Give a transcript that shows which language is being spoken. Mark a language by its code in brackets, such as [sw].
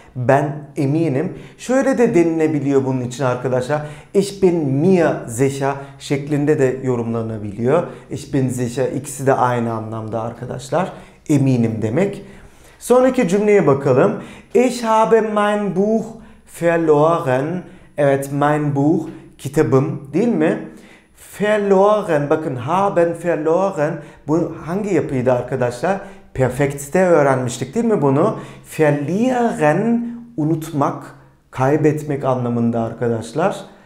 [tr] Ben eminim. Şöyle de denilebiliyor bunun için arkadaşlar. Ich bin mir sicher şeklinde de yorumlanabiliyor. Ich bin sicher ikisi de aynı anlamda arkadaşlar. Eminim demek. Sonraki cümleye bakalım. [de] Ich habe mein Buch verloren. [tr] Evet, mein Buch kitabım değil mi? [de] Verloren, bakın haben verloren. [tr] Bu hangi yapıydı arkadaşlar? Perfekt'te öğrenmiştik değil mi bunu? Verlieren, unutmak, kaybetmek anlamında arkadaşlar.